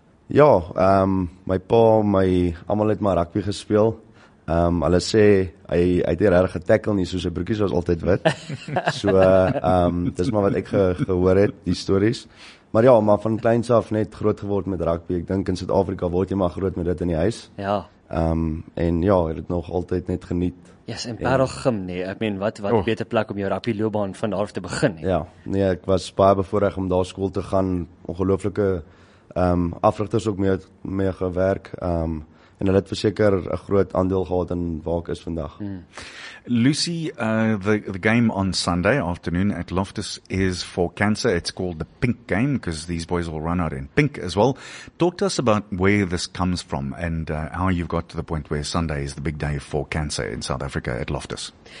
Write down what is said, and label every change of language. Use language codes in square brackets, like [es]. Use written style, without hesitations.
[af] Ja, my pa, my almal het maar rugby gespeel. Hulle sê hy het nie regtig getackle nie, so sy broekies was altyd wit. So dis maar wat ek gehoor het, die stories. Maar ja, maar van kleins af net groot geword met rugby. Ek dink in Suid-Afrika word jy maar groot met dit in die huis. Ja. En ja, het dit nog altyd net geniet. Ja, yes, en Parel Gym nee. Ek meen wat beter plek om jou rugby loopbaan van daar af te begin nie. Ja. Nee, ek was baie bevoorreg om daar skool te gaan. Ongelooflike africhters ook mee gewerk. En hulle het verseker 'n groot aandeel gehad in waar ek is vandag. Mm. [en] Lucy, the game on Sunday afternoon at Loftus is for cancer. It's called the pink game because these boys will run out in pink as well. Talk to us about where this comes from and how you've got to the point where Sunday is the big day for cancer in South Africa at Loftus.